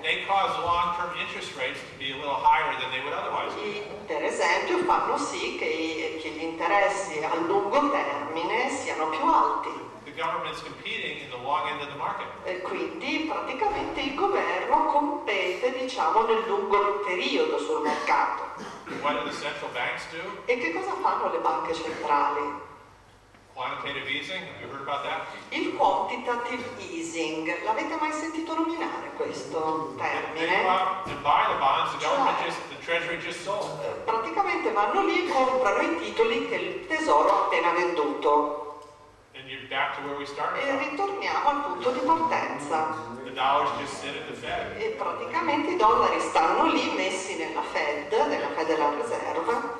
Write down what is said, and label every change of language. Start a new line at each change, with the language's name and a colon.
English: They cause long-term interest rates to be a little higher than they would otherwise.
Italian: Per esempio, fanno sì che gli interessi a lungo termine siano più alti.
English: The government's competing in the long end of the market.
Italian: E quindi, praticamente, il governo compete, diciamo, nel lungo periodo sul mercato.
English: What do the central banks do?
Italian: E che cosa fanno le banche centrali?
English: Quantitative easing, have you heard about that?
Italian: Il quantitative easing, l'avete mai sentito nominare questo termine?
English: They buy the bonds, the government just, the treasury just sold.
Italian: Praticamente vanno lì e comprano i titoli che il tesoro ha appena venduto.
English: And you're back to where we started.
Italian: E ritorniamo al punto di partenza.
English: The dollars just sit at the Fed.
Italian: E praticamente i dollari stanno lì messi nella Fed, nella Federal Reserve.